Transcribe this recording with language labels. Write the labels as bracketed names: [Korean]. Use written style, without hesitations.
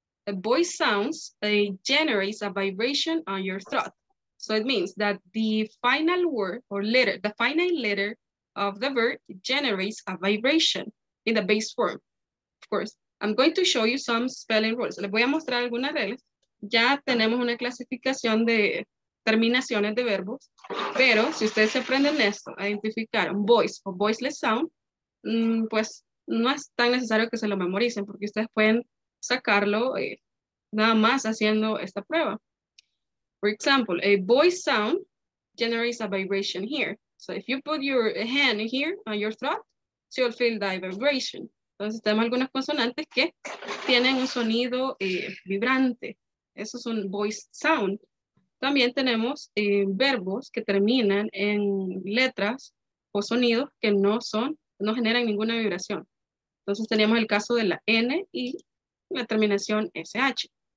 [English] A voice sounds, it generates a vibration on your throat. So it means that the final word or letter, the final letter of the verb generates a vibration in the base form. Of course, I'm going to show you some spelling rules. [Spanish] Les voy a mostrar algunas reglas. Ya tenemos una clasificación de terminaciones de verbos, pero si ustedes aprenden esto, identificar un voice o voiceless sound, pues no es tan necesario que se lo memoricen porque ustedes pueden sacarlo nada más haciendo esta prueba. [English] For example, a voice sound generates a vibration here. So if you put your hand here on your throat, you'll feel that vibration. [Spanish] Entonces tenemos algunas consonantes que tienen un sonido vibrante. Eso es un voice sound. También tenemos verbos que terminan en letras o sonidos que no son, no generan ninguna vibración. Entonces tenemos el caso de la N y la terminación SH.